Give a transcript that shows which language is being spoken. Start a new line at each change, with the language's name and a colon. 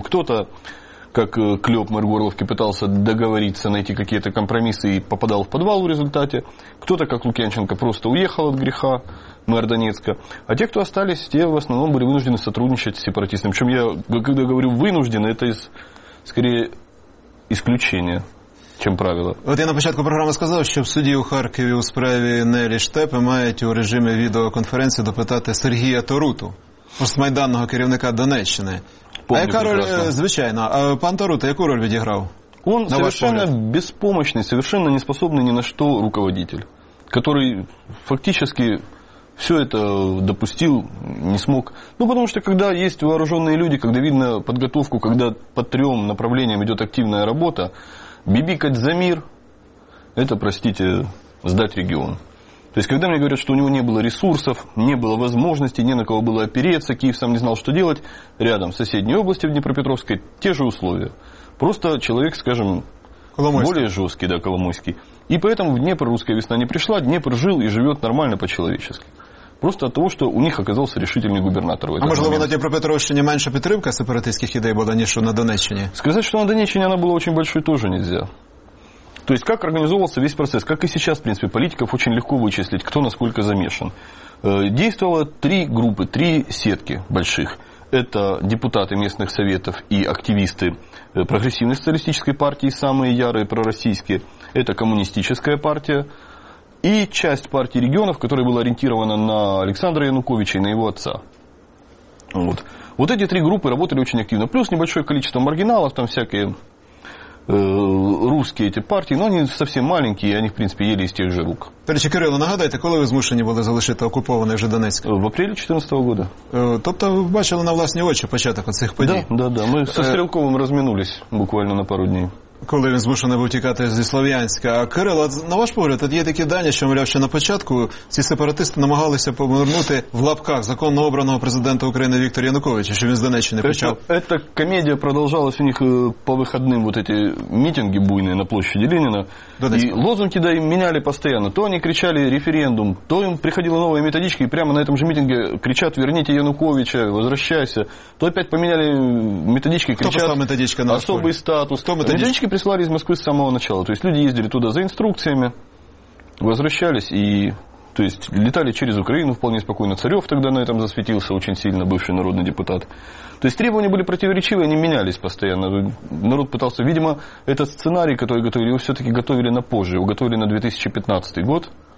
Russian: Кто-то, как Клёп, мэр Горловки, пытался договориться, найти какие-то компромиссы и попадал в подвал в результате. Кто-то, как Лукьянченко, просто уехал от греха, мэр Донецка. А те, кто остались, те в основном были вынуждены сотрудничать с сепаратистами. Причем я, когда говорю вынуждены, это скорее исключение, чем правило.
Ukrainian: От я на початку програми сказав, що в суді у Харкові у справі Нелі Штепи мають у режимі відеоконференції допитати Сергія Таруту, постмайданного керівника Донеччини.
Russian: Помню,
Ukrainian: звичайно. А пан Тарута яку роль відіграв?
Russian: Он совершенно беспомощный, совершенно не способный ни на что руководитель, который фактически все это допустил, не смог. Ну, потому что, когда есть вооруженные люди, когда видно подготовку, когда по трем направлениям идет активная работа, бибикать за мир, это, простите, сдать регион. То есть, когда мне говорят, что у него не было ресурсов, не было возможностей, не на кого было опереться, Киев сам не знал, что делать, рядом, в соседней области, в Днепропетровской, те же условия. Просто человек, скажем, более жесткий, да, Коломойский. И поэтому в Днепр русская весна не пришла, Днепр жил и живет нормально по-человечески. Просто от того, что у них оказался решительный губернатор.
Ukrainian: А можливо, на Днепропетровщині меньше підтримка сепаратистських ідей була, ніж на Донеччині?
Russian: Сказать, что на Донеччині она была очень большой, тоже нельзя. То есть, как организовывался весь процесс, как и сейчас, в принципе, политиков очень легко вычислить, кто насколько замешан. Действовало три группы, три сетки больших. Это депутаты местных советов и активисты прогрессивной социалистической партии, самые ярые пророссийские. Это коммунистическая партия. И часть партии регионов, которая была ориентирована на Александра Януковича и на его отца. Вот. Вот эти три группы работали очень активно. Плюс небольшое количество маргиналов, там всякие русские эти партии, но они совсем маленькие, они, в принципе, ели из тех же рук.
Ukrainian: Перечи, Кирилло, нагадайте, коли ви змушені були залишити окупований вже Донецьк?
Russian: В апрелі 2014 года.
Ukrainian: Тобто, ви бачили на власні очі початок оцих подій?
Russian: Да, да, да.
Ukrainian: Ми со Стрілковим розминулись буквально на пару днів. Коли він змушений був тікати зі Слов'янська. А Кирило, на ваш погляд, тут є такі дані, що, мовляв, ще на початку ці сепаратисти намагалися повернути в лапках законно обраного президента України Віктора Януковича, що він з Донеччини почав. Ця комедія продовжалась у них по вихідним, от ці мітинги буйні на площі Леніна. І лозунги да, міняли постійно. То вони кричали референдум, то їм приходила нова методичка, і прямо на цьому ж мітингу кричать «Верніть Януковича, возвращайся». То опять поміняли методички, кричать «Особий статус». Хто методичка?
Russian: Прислали из Москвы с самого начала. То есть люди ездили туда за инструкциями, возвращались и то есть, летали через Украину вполне спокойно. Царев тогда на этом засветился очень сильно, бывший народный депутат. То есть требования были противоречивые, они менялись постоянно. Народ пытался, видимо, этот сценарий, который готовили, его все-таки готовили на позже, его готовили на 2015 год.